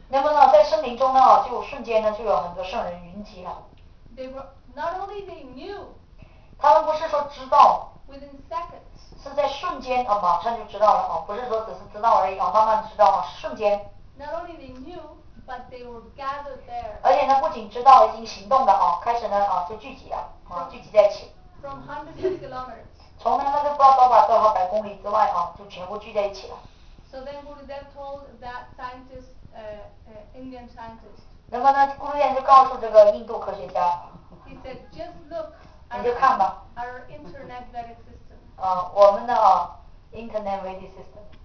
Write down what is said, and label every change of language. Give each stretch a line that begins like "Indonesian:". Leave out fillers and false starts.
Chinese: 那么呢，在森林中呢，就瞬间呢就有很多圣人云集了。
English: They were not only they knew.
Chinese: 他们不是说知道。
English: Within seconds.
Chinese: 是在瞬间啊，马上就知道了啊，不是说只是知道而已啊，慢慢知道啊，瞬间。
English: Not only they knew, but they were gathered there.
Chinese: 而且呢，不仅知道，已经行动的啊，开始呢啊就聚集了啊，聚集在一起。
English: From hundreds of kilometers.
Chinese: 从那个不知道多少多少百公里之外啊，就全部聚在一起了。
English: So then Gurudev told that scientist, Indian scientist.
Chinese: 那么呢，顾立言就告诉这个印度科学家。
English: He said, just look.
Chinese: 你就看吧。
English: Our internet vedic system.
Chinese: 啊，我们的啊 ，
English: internet vedic system。